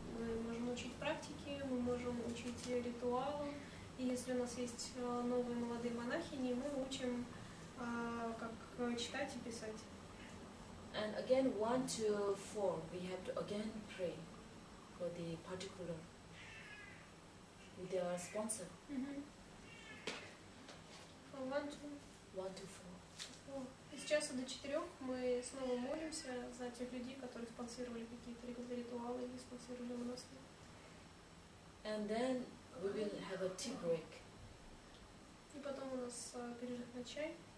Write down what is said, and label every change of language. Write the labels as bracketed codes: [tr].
[ru] Мы можем учить практики, мы можем учить ритуалы. И если у нас есть новые молодые монахини, мы учим, как читать и писать. [en] And again, 1 to 4, we have to again pray for the particular with their sponsor. Mm-hmm. 1 to 4. [ru] С часу до 4 мы снова молимся за тех людей, которые спонсировали какие-то ритуалы или спонсировали монастырь. [en] And then we will have a tea break. [ru] И потом у нас перерыв на чай.